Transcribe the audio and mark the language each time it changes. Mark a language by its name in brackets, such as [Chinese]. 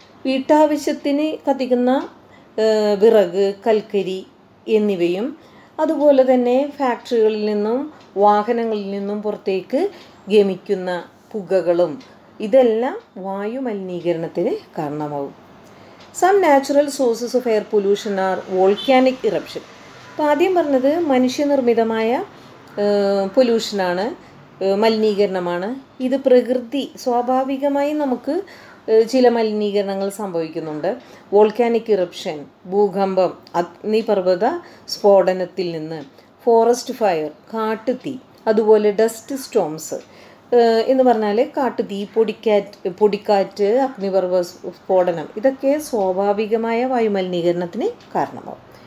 [Malayalam] വീട്ടാവശ്യത്തിന് കത്തിക്കുന്ന വിറക്, കൽക്കരി എന്നിവയും അതുപോലെ തന്നെ ഫാക്ടറികളിൽ നിന്നും വാഹനങ്ങളിൽ നിന്നും പുറത്തേക്ക് ഗമിക്കുന്ന പുകകളും ഇതെല്ലാം വായുമലിനീകരണത്തിന് കാരണമാവും. [English] Some natural sources of air pollution are volcanic eruption. [Malayalam] അപ്പോൾ ആദ്യം പറഞ്ഞത് മനുഷ്യനിർമ്മിതമായ പൊല്യൂഷനാണ്, മലിനീകരണമാണ്. ഇത് പ്രകൃതി സ്വാഭാവികമായി നമുക്ക് ചില മലിനീകരണങ്ങൾ സംഭവിക്കുന്നുണ്ട്. വോൾക്കാനിക് ഇറപ്ഷൻ, ഭൂകമ്പം, അഗ്നിപർവ്വത സ്ഫോടനത്തിൽ നിന്ന്, ഫോറസ്റ്റ് ഫയർ, കാട്ടുതീ, അതുപോലെ ഡസ്റ്റ് സ്റ്റോംസ് എന്ന് പറഞ്ഞാൽ കാട്ടുതീ, പൊടിക്കാറ്റ്, അഗ്നിപർവ്വ സ്ഫോടനം, ഇതൊക്കെ സ്വാഭാവികമായ വായുമലിനീകരണത്തിന് കാരണമാവും.